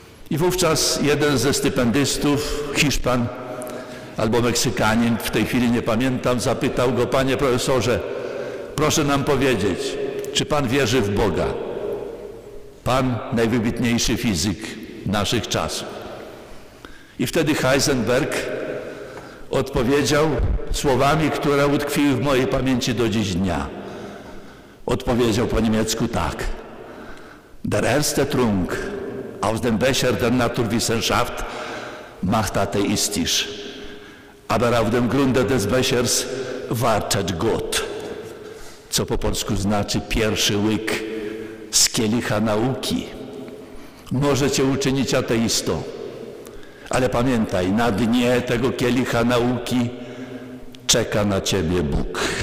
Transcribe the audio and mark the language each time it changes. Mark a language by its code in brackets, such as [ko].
[pl] I wówczas jeden ze stypendystów, Hiszpan albo Meksykanin, w tej chwili nie pamiętam, zapytał go: panie profesorze, proszę nam powiedzieć, czy pan wierzy w Boga? Pan najwybitniejszy fizyk naszych czasów. I wtedy Heisenberg odpowiedział słowami, które utkwiły w mojej pamięci do dziś dnia. Odpowiedział po niemiecku tak: [de] Der erste Trunk aus dem Becher der Naturwissenschaft macht atheistisch, aber auf dem Grunde des Bechers wartet Gott. [pl] Co po polsku znaczy: pierwszy łyk z kielicha nauki może cię uczynić ateistą. Ale pamiętaj, na dnie tego kielicha nauki czeka na ciebie Bóg.